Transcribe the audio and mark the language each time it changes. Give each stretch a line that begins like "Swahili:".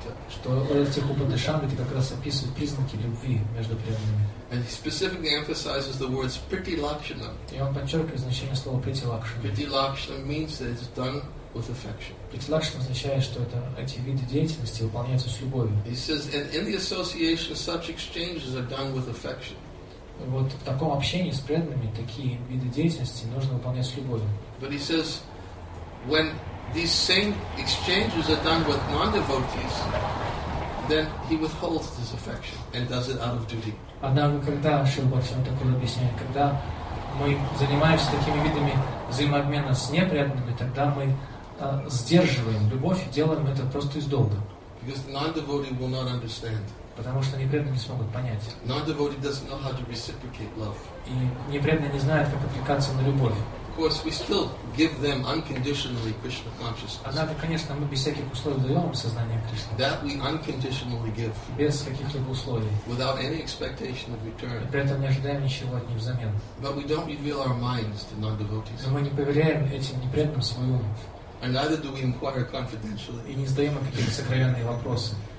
Russian: Что этот стих Упанишад как раз описывает признаки любви между преданными.
English: And he specifically emphasizes the words priti lakshana.
Russian: И он подчеркивает значение слова priti lakshana.
English: Priti lakshana means that it's done with affection.
Russian: Priti lakshana означает, что это эти виды деятельности выполняются с любовью.
English: He says, and in the association, such exchanges are done with affection.
Russian: Вот в таком общении с преданными такие виды деятельности нужно выполнять с любовью.
English: But he says, when these same exchanges are done with non-devotees, then he withholds this affection and does it out of duty.
Russian: Однако, когда Шилбар Шантакур объясняет, когда мы занимаемся такими видами взаимообмена с непреданными, тогда мы сдерживаем любовь и делаем это просто из долга.
English: Because the non-devotee will not understand.
Russian: Потому что непреданные не смогут понять.
English: Non-devotee doesn't know how to reciprocate love.
Russian: И непреданные не знают, как откликаться на любовь.
English: Of course, we still give them unconditionally Krishna consciousness.
Russian: Однако, конечно, мы без всяких условий даем сознание Кришны.
English: That we unconditionally give.
Russian: Без каких-либо условий.
English: Without any expectation of return.
Russian: И при этом не ожидаем ничего от них взамен.
English: But we don't reveal our minds to non-devotees.
Russian: Но мы не поверяем этим непреданным свой ум.
English: And neither do we inquire confidentially.
Russian: И не задаем им какие-то сокровенные вопросы.